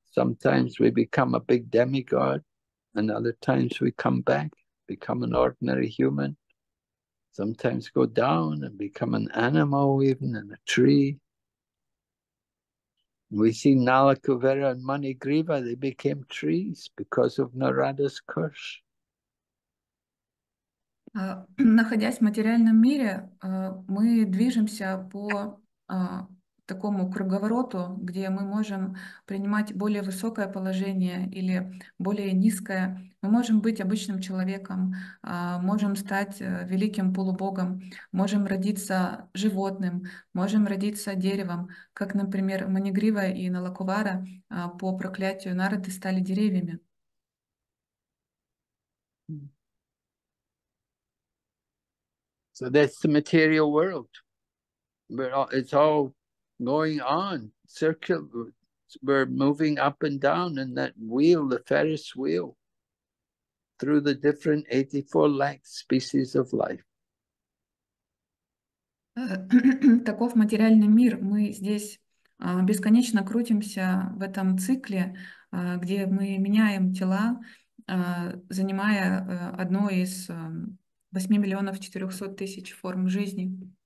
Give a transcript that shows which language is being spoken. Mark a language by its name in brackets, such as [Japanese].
[English] Sometimes we become a big demigod, and other times we come back, become an ordinary human. Sometimes go down and become an animal, even in a tree. We see Nala Kuvera and Manigriva, they became trees because of Narada's curse. [Russian] Находясь в материальном мире, мы движемся по такому круговороту, где мы можем принимать более высокое положение или более низкое. Мы можем быть обычным человеком, можем стать великим полубогом, можем родиться животным, можем родиться деревом, как, например, Манигрива и Налакувара по проклятию Нарады стали деревьями. [English] So that's the material world. It's all going on, circular. We're moving up and down in that wheel, the Ferris wheel, through the different 84 lakh species of life. [Russian] Таков материальный мир. Мы здесь бесконечно крутимся в этом цикле, где мы меняем тела, занимая одно из 8 400 000 форм жизни.